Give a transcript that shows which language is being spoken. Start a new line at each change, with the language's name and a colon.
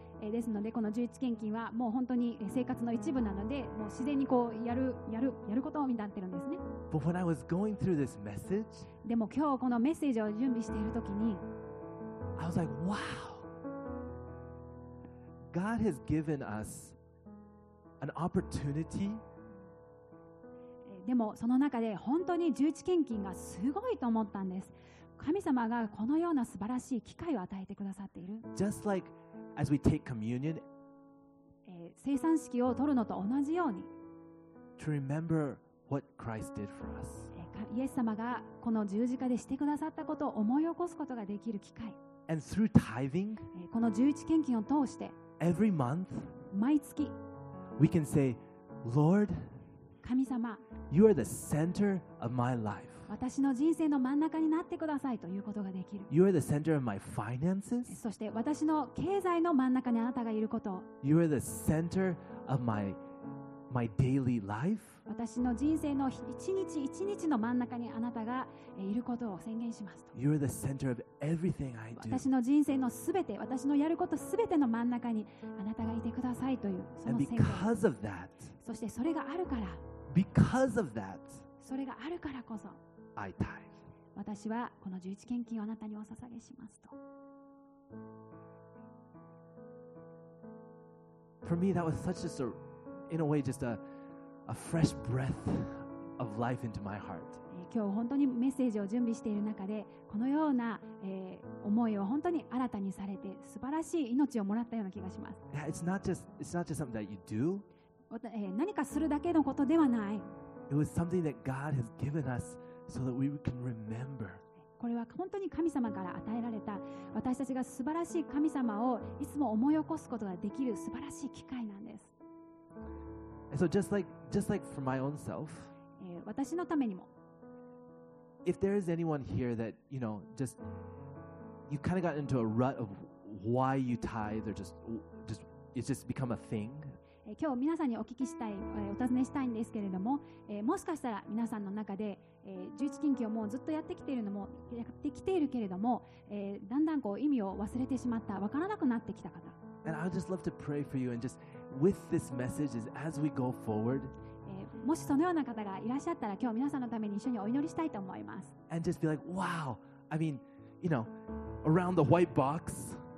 Japanese: ですのでこの十一献金はもう本当に生活の一部なのでもう自然にこうやることになっているんですね。
English: But when I was going through this message,
Japanese: でも今日このメッセージを準備しているときに
English: I was like, wow! God has given usAn opportunity?
Japanese: でもその中で本当に十一献金がすごいと思ったんです。神様がこのような素晴らしい機会を与えてくださっている。
English: Just like as we take communion,
Japanese: 聖餐式を取るのと同じように
English: To remember what Christ did for us.
Japanese: イエス様がこの十字架でしてくださったことを思い起こすことができる機会。
English: And through tithing,
Japanese: この十一献金を通して
English: Every month,
Japanese: 毎月
English: We can say, Lord,
Japanese: 神様、
English: You are the center of my life.
Japanese: 私の人生の真ん中になってくださいということができる。
English: You are the center of my finances.
Japanese: そして私の経済の真ん中にあなたがいること。
English: You are the center of my daily life.
Japanese: 私の人生の一日一日の真ん中にあなたがいることを宣言しますと。
English: You are the center of everything I do.
Japanese: 私の人生のすべて、私のやることすべての真ん中にあなたがいてくださいというその宣言。
English: And because of that,
Japanese: そしてそれがあるから、
English: because of that,
Japanese: それがあるからこそ、
English: I tithe.
Japanese: 私はこの十一献金をあなたにお捧げしますと。
English: For me, that was such a sort of,In a way, just a fresh breath of life into my heart.
Japanese: 今日本当にメッセージを準備している中で、このような思いを本当に新たにされて、素晴らしい命をもらったような気がします。
English: Yeah, it's not just something that you do.
Japanese: 何かするだけのことではない。
English: It was something that God has given us so that we can remember.
Japanese: これは本当に神様から与えられた私たちが素晴らしい神様をいつも思い起こすことができる素晴らしい機会なんです。
English: So just like for my own self,
Japanese: 私のためにも
English: If there is anyone here that you know just you kind of got into a rut of why you tithe or just it's just become a thing
Japanese: 今日皆さんにお聞きしたい、お尋ねしたいんですけれども、もしかしたら皆さんの中で、十一金器をもうずっとやってきているのもやってきているけれども、だんだんこう意味を忘れてしまった、分からなくなってきた方。
English: And I would just love to pray for you and just with this message as we go forward、
Japanese: もしそのような方がいらっしゃったら、今日皆さんのために一緒にお祈りしたいと思います。
English: And just be like, wow, I mean, you know, around the white box.